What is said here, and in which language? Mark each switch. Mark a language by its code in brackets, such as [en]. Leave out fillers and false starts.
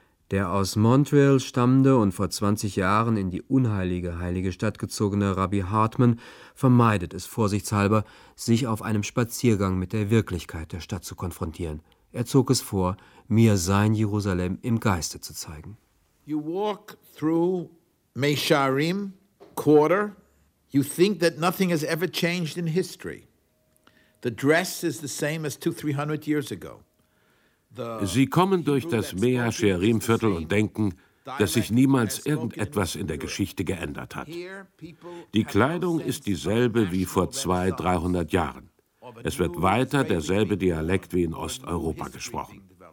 [de] Der aus Montreal stammende und vor 20 Jahren in die unheilige heilige Stadt gezogene Rabbi Hartman vermeidet es vorsichtshalber, sich auf einem Spaziergang mit der Wirklichkeit der Stadt zu konfrontieren. Er zog es vor, mir sein Jerusalem im Geiste zu zeigen. [en] You walk through Meisharim Quarter, you think that nothing has ever changed in history. The dress is the same as 200-300 years ago. [de] Sie kommen durch das Mea Shearim-Viertel und denken, dass sich niemals irgendetwas in der Geschichte geändert hat. Die Kleidung ist dieselbe wie vor 200-300 Jahren. Es wird weiter derselbe Dialekt wie in Osteuropa gesprochen.